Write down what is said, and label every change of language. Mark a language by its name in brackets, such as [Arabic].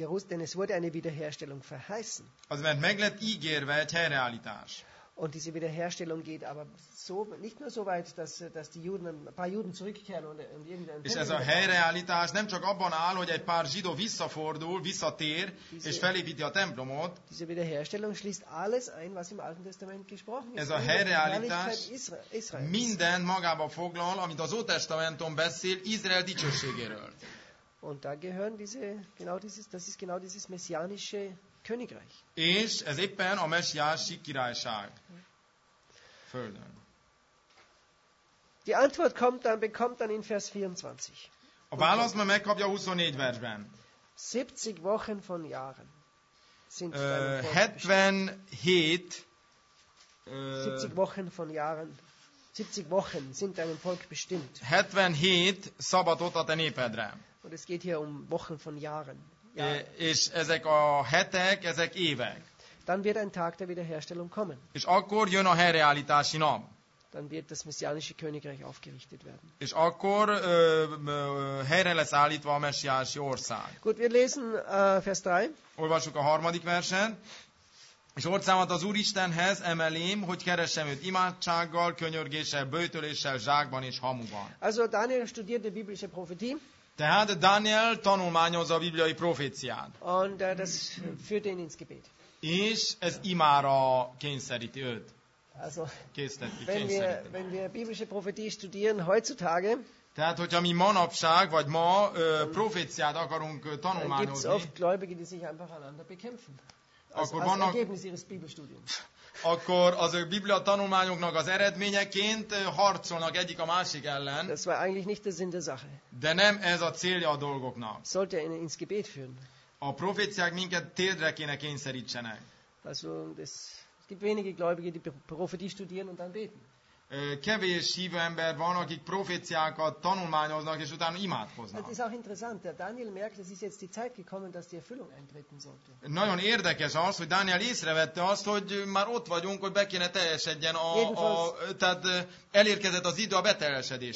[German] Denn es wurde eine Wiederherstellung verheißen. [Hungarian] Az mert meg lett ígérve egy helyreállítás. [German] Und diese Wiederherstellung geht aber so nicht nur so weit, dass die Juden, ein paar Juden zurückkehren und irgendein. [Hungarian] És ez a helyreállítás nem csak abban áll, hogy egy pár zsidó visszafordul, visszatér és felépíti a templomot. [German] Diese Wiederherstellung schließt alles ein, was im Alten Testament gesprochen ist. [Hungarian] Ez a helyreállítás minden magába foglal, amit az Ótestamentum beszél Izrael dicsőségéről. [German] Und da gehören diese genau dieses, das ist genau dieses messianische Königreich. [Hungarian] És ez éppen a messiási királyság földön. [German] Die Antwort bekommt dann in Vers 24. [Hungarian] A válasz már megkapja 24 versben. [German] 70 Wochen von Jahren sind 77 70 Wochen von Jahren 70 Wochen sind deinem Volk bestimmt. [Hungarian] 77 szabadot a te népedre. [German] Und es geht hier um Wochen von Jahren. [Hungarian] És ezek a hetek, ezek évek. [German] Dann wird ein Tag der Wiederherstellung kommen. [Hungarian] És akkor jön a helyreállítási nap. [German] Dann wird das messianische Königreich aufgerichtet werden. [Hungarian] És akkor helyre lesz állítva a messiási ország. [German] Gut, wir lesen Vers 3. [Hungarian] Olvassuk a harmadik versen. És orcámat az Úristenhez emelém, hogy keressem őt imádsággal, könyörgéssel, böjtöléssel, zsákban és hamuban. [German] Also Daniel studierte biblische Prophetie. [Hungarian] Tehát Daniel tanulmányozza a bibliai proféciát. [German] Und das führt ihn ins Gebet. [Hungarian] És ez imára kényszeríti őt. [German] Also, wenn wir biblische Prophetie studieren heutzutage, [Hungarian] tehát, hogyha mi manapság, vagy ma proféciát akarunk tanulmányozni, [German] gibt's oft Gläubige, die sich einfach einander bekämpfen. Az Ergebnis ihres Bibelstudiums. [Hungarian] Akkor az a Biblia tanulmányoknak az eredményeként harcolnak egyik a másik ellen. [German] Das war eigentlich nicht der Sinn der Sache. [Hungarian] De nem ez a célja a dolgoknak. [German] Sollte ihn ins Gebet führen. [Hungarian] A proféciák minket térdre kéne kényszerítsenek. [German] Also, es gibt wenige Gläubige, die Prophetie studieren und dann beten. [Hungarian] Kevés hívő ember van, akik proféciákat tanulmányoznak és utána imádkoznak. [German] Das ist auch interessant. Der Daniel merkt, es ist jetzt die Zeit gekommen, dass die Erfüllung eintreten sollte. [Hungarian] Nagyon érdekes az, hogy Daniel észrevette azt, hogy már ott vagyunk, hogy be kéne teljesedjen tehát elérkezett az idő a beteljesedéshez.